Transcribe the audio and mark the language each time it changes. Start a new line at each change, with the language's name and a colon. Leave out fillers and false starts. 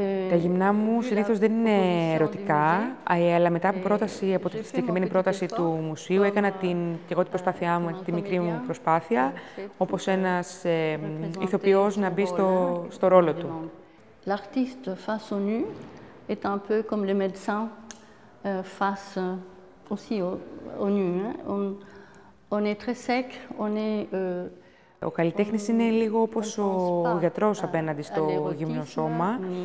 Greek: Τα γυμνά μου συνήθως δεν είναι ερωτικά, αλλά μετά από πρόταση, από τη συγκεκριμένη πρόταση του μουσείου, έκανα την προσπάθειά μου, τη μικρή μου προσπάθεια, όπως ένας ηθοποιός να μπει στο ρόλο του.
French: L'artiste face au nu est un peu comme le médecin face aussi au nu. On est très sec, on est
Greek: ο καλλιτέχνης είναι λίγο όπως ο γιατρός απέναντι στο γυμνό σώμα.